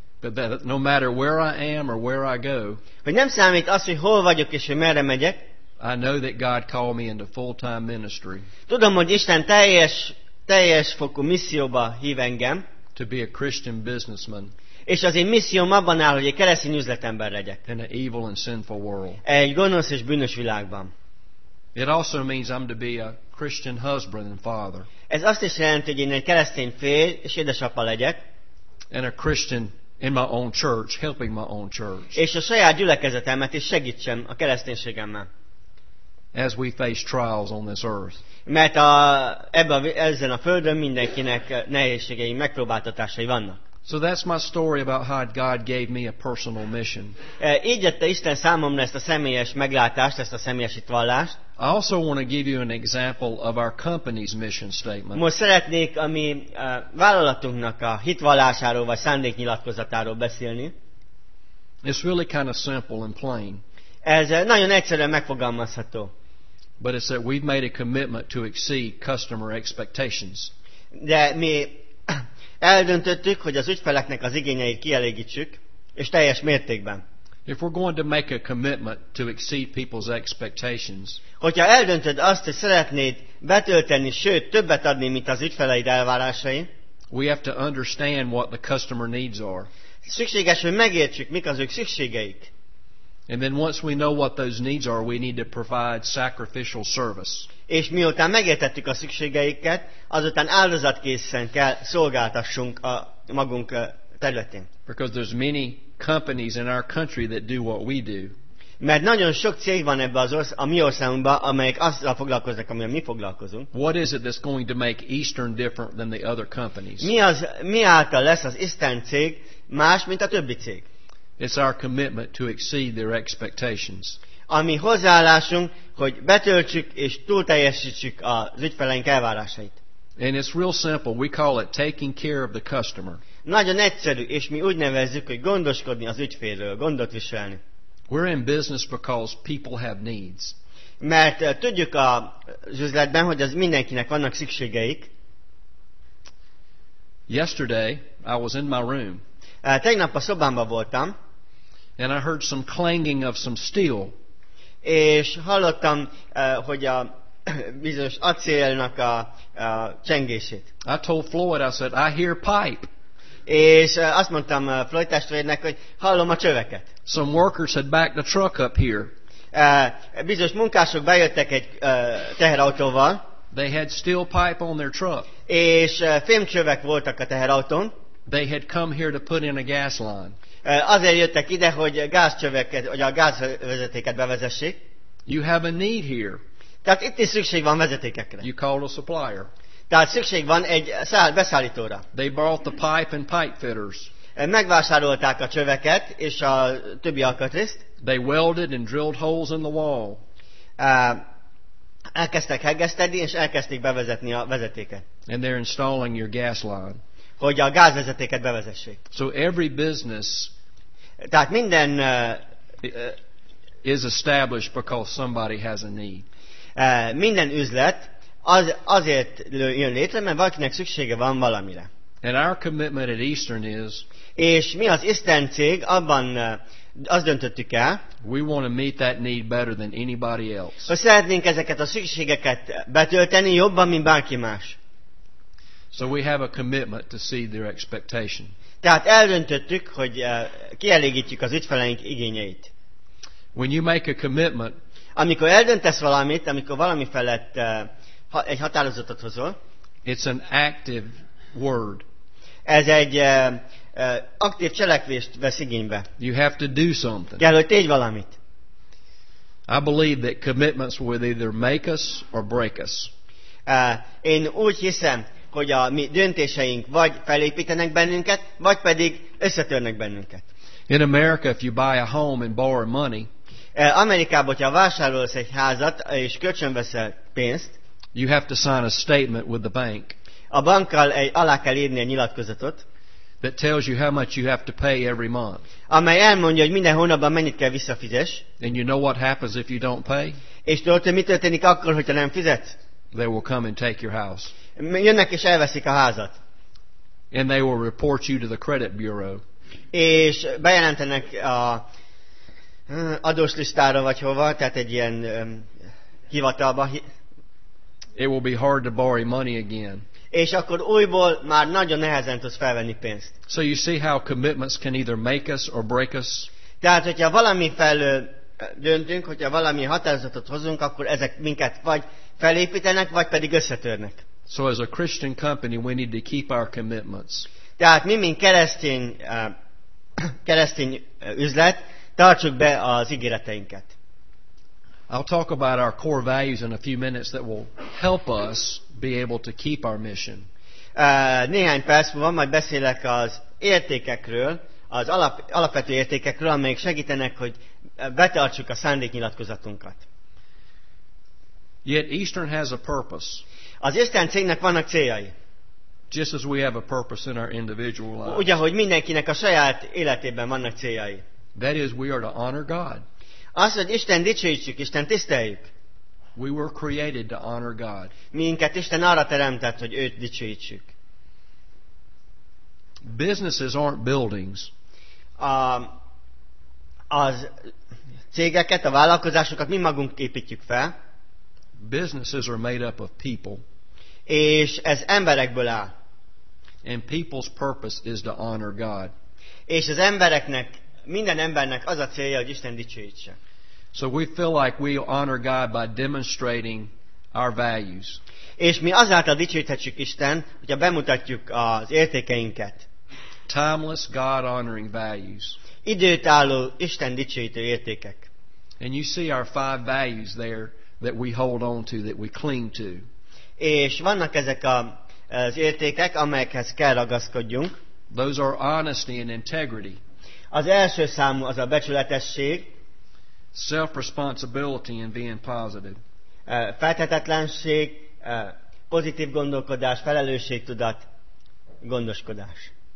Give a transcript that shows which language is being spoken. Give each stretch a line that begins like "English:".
English: But that no matter where I am or where I go,
Hungarian: hogy nem számít az, hogy hol vagyok és hogy merre megyek.
English: I know that God called me into full-time ministry.
Hungarian: Tudom, hogy Isten teljes fokú misszióba hív engem.
English: To be a Christian businessman.
Hungarian: És az én misszióm abban áll, hogy egy keresztény üzletember legyek.
English: In an evil and sinful world.
Hungarian: Egy gonosz és bűnös világban.
English: It also means I'm to be a Christian husband and father.
Hungarian: Ez azt is jelenti, hogy én egy keresztény fér és édesapa legyek.
English: And a Christian in my own church, helping my own church.
Hungarian: És a saját gyülekezetemet is segítsem a kereszténységemmel.
English: As we face trials on this earth.
Hungarian: Mert ezen a földön mindenkinek nehézségei, megpróbáltatásai vannak.
English: So that's my story about how God gave me a personal mission.
Hungarian: Így adta Isten számomra ezt a személyes meglátást, ezt a személyes hitvallást.
English: I also want to give you an example of our company's mission statement.
Hungarian: Most szeretnék a mi vállalatunknak a hitvallásáról vagy szándéknyilatkozatáról beszélni.
English: It's really kind of simple and plain.
Hungarian: Ez nagyon egyszerűen megfogalmazható.
English: But it's that we've made a commitment to exceed customer expectations.
Hungarian: De mi eldöntöttük, hogy az ügyfeleknek az igényeit kielégítsük, és teljes mértékben.
English: If we're going to make a commitment to exceed people's expectations.
Hungarian: Hogyha eldöntöd azt, hogy szeretnéd betölteni, sőt többet adni, mint az ügyfeleid elvárásai.
English: We have to understand what the customer needs are.
Hungarian: Szükséges, hogy megértsük, mik az ők szükségeik.
English: And then once we know what those needs are, we need to provide sacrificial service.
Hungarian: És miután megértettük a szükségeiket, azután áldozatkészen kell szolgáltassunk a magunk területén.
English: Because there's many companies in our country that do what we do.
Hungarian: Mert nagyon sok cég van ebbe az a mi országunkban, amelyek azzal foglalkoznak, amivel mi foglalkozunk.
English: What is it that's going to make Eastern different than the other companies?
Hungarian: Mi által lesz az Eastern cég más, mint a többi cég?
English: It's our commitment to exceed their expectations.
Hungarian: A mi hozzáállásunk, hogy betöltsük és túlteljesítsük az ügyfeleink elvárásait.
English: And it's real simple. We call it taking care of the customer.
Hungarian: Nagyon egyszerű, és mi úgy nevezzük, hogy gondoskodni az ügyfélről, gondot viselni.
English: We're in business because people have needs.
Hungarian: Mert tudjuk az üzletben, hogy az mindenkinek vannak szükségeik.
English: Yesterday, I was in my room.
Hungarian: Tegnap a szobámban voltam.
English: And I heard some clanging of some steel.
Hungarian: És hallottam, hogy a bizonyos acélnak a csengését.
English: I told Floyd, I said, I hear pipe.
Hungarian: És azt mondtam Floyd testvérnek, hogy hallom a csöveket.
English: Some workers had backed the truck up here.
Hungarian: Bizonyos munkások bejöttek egy teherautóval.
English: They had steel pipe on their truck.
Hungarian: És fémcsövek voltak a teherautón.
English: They had come here to put in a gas line.
Hungarian: Azért jöttek ide, hogy gázcsöveket, hogy a gázvezetéket bevezessék.
English: You have a need here.
Hungarian: Tehát itt is szükség van vezetékekre.
English: You call a supplier.
Hungarian: Tehát szükség van egy beszállítóra.
English: They bought the pipe and pipe fitters.
Hungarian: Megvásárolták a csöveket és a többi alkatrészt.
English: They welded and drilled holes in the wall.
Hungarian: Elkezdtek hegeszteni és elkezdték bevezetni a vezetéket.
English: And they're installing your gas line.
Hungarian: Hogy a gázvezetéket bevezessék.
English: So every business.
Hungarian: Tehát minden
English: is established because somebody has a need.
Hungarian: Minden üzlet azért jön létre, mert valakinek szüksége van valamire.
English: And our commitment at Eastern is,
Hungarian: és mi az Eastern cég, abban azt döntöttük el,
English: we want to meet that need better than anybody else.
Hungarian: Hogy szeretnénk ezeket a szükségeket betölteni jobban, mint bárki más.
English: So we have a commitment to see their expectation.
Hungarian: Tehát eldöntöttük, hogy kielégítjük az ügyfeleink igényeit.
English: When you make a commitment,
Hungarian: amikor eldöntesz valamit, amikor valami felett egy határozatot hozol.
English: It's an active word.
Hungarian: Ez egy aktív cselekvést vesz igénybe.
English: You have to do something.
Hungarian: Kell, hogy tégy valamit.
English: I believe that commitments will either make us or break us.
Hungarian: Én úgy hiszem, hogy a mi döntéseink vagy felépítenek bennünket, vagy pedig összetörnek bennünket.
English: In America, if you buy a home and borrow money,
Hungarian: Amerikában, hogyha vásárolsz egy házat és kölcsönveszel pénzt,
English: you have to sign a statement with the bank.
Hungarian: A bankkal alá kell írni a nyilatkozatot.
English: That tells you how much you have to pay every month.
Hungarian: Amely elmondja, hogy minden hónapban mennyit kell visszafizes.
English: And you know what happens if you don't pay?
Hungarian: És tudod, hogy mi történik akkor, hogyha nem fizetsz?
English: They will come and take your house.
Hungarian: Jönnek és elveszik a házat.
English: And they will report you to the credit bureau.
Hungarian: És bejelentenek a adóslistára vagy hova, tehát egy ilyen hivatalba.
English: It will be hard to borrow money again.
Hungarian: És akkor újból már nagyon nehezen tudsz felvenni pénzt.
English: So you see how commitments can either make us or break us.
Hungarian: Tehát, hogyha valami felől döntünk, hogyha valami határozatot hozunk, akkor ezek minket vagy felépítenek, vagy pedig összetörnek.
English: So as a Christian company, we need to keep our commitments.
Hungarian: Tehát mi, mint keresztény, keresztény üzlet, tartsuk be az ígéreteinket.
English: I'll talk about our core values in a few minutes that will help us be able to keep our mission.
Hungarian: Néhány perc múlva majd beszélek az értékekről, az alapvető értékekről, amelyek segítenek, hogy betartsuk a szándéknyilatkozatunkat.
English: Yet Eastern has a purpose.
Hungarian: Az Eastern cégnek vannak céljai.
English: Just as we have a purpose in our individual lives.
Hungarian: Úgy, ahogy mindenkinek a saját életében vannak céljai.
English: That is, we are to honor God.
Hungarian: Azt, hogy Isten dicsőítsük, Isten tiszteljük.
English: We were created to honor God.
Hungarian: Minket Isten arra teremtett, hogy őt dicsőítsük.
English: Businesses aren't buildings.
Hungarian: Az cégeket, a vállalkozásokat mi magunk építjük fel.
English: Businesses are made up of people.
Hungarian: És ez emberekből áll.
English: And people's purpose is to honor God.
Hungarian: És az embereknek minden embernek az a célja, hogy Isten dicsőítse.
English: So we feel like we honor God by demonstrating our values.
Hungarian: És mi azáltal dicsőíthetjük Istent, hogyha bemutatjuk az értékeinket.
English: Timeless God honoring values.
Hungarian: Időtálló Isten dicsőítő értékek.
English: And you see our five values there that we hold on to, that we cling to.
Hungarian: És vannak ezek az értékek, amelyekhez kell ragaszkodjunk.
English: Those are honesty and integrity.
Hungarian: Az első számú az a becsületesség.
English: Self-responsibility and being positive.
Hungarian: Feltehetetlenség, pozitív gondolkodás, felelősségtudat, gondoskodás.